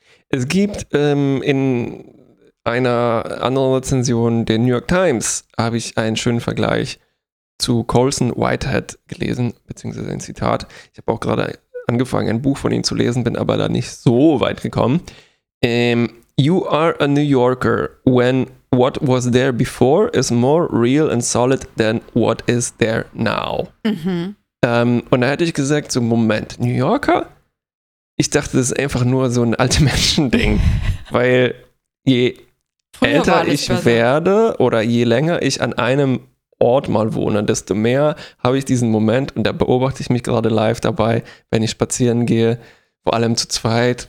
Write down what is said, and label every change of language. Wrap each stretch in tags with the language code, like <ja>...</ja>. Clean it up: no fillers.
<de>Es gibt in einer anderen Rezension der New York Times habe ich einen schönen Vergleich zu Colson Whitehead gelesen, beziehungsweise ein Zitat. Ich habe auch gerade angefangen, ein Buch von ihm zu lesen, bin aber da nicht so weit gekommen.</de> <en>You are a New Yorker when what was there before is more real and solid than what is there now.</en> <de>Mhm. Und da hätte ich gesagt, so Moment, New Yorker? Ich dachte, das ist einfach nur so ein alte Menschen-Ding, weil je älter ich werde oder je länger ich an einem Ort mal wohne, desto mehr habe ich diesen Moment und da beobachte ich mich gerade live dabei, wenn ich spazieren gehe, vor allem zu zweit.</de>